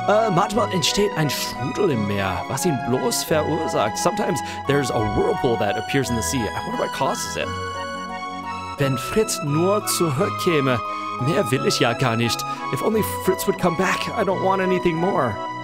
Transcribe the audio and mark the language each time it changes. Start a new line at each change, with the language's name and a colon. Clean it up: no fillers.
German: Manchmal entsteht ein Strudel im Meer, was ihn bloß verursacht.
English: Sometimes there's a whirlpool that appears in the sea. I wonder what causes it.
German: Wenn Fritz nur zurückkäme, mehr will ich ja gar nicht.
English: If only Fritz would come back, I don't want anything more.